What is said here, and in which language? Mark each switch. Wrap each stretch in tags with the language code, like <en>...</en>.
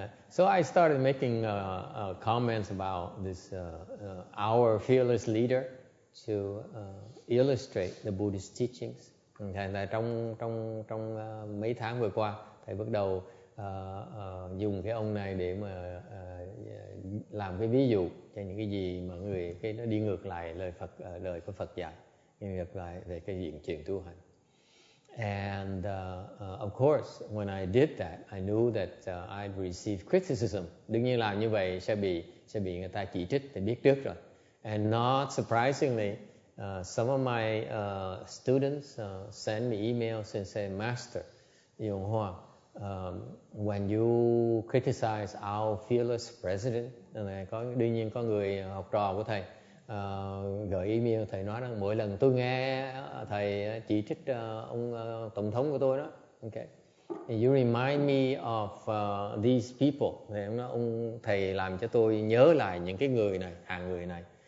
<en>So I started making comments about this our fearless leader to illustrate the Buddhist teachings.</en> <vi>Thầy trong mấy tháng vừa qua, thầy bắt đầu dùng cái ông này để mà làm cái ví dụ cho những cái gì mà người cái nó đi ngược lại lời Phật lời của Phật dạy, ngược lại về cái diện chuyện tu hành.</vi> <en>And of course, when I did that, I knew that I'd receive criticism.</en> <vi>Đương nhiên làm như vậy sẽ bị người ta chỉ trích, thì biết trước rồi.</vi> <en>And not surprisingly, some of my students send me emails and say, "Master Yong Hoa, when you criticize our fearless president,"</en> <vi>đương nhiên có người học trò của thầy gửi email thầy nói rằng mỗi lần tôi nghe thầy chỉ trích ông tổng thống của tôi đó,</vi> <en>okay, you remind me of these people.</en> <vi>Thầy nói ông thầy làm cho tôi nhớ lại những cái người này, hàng người này.</vi>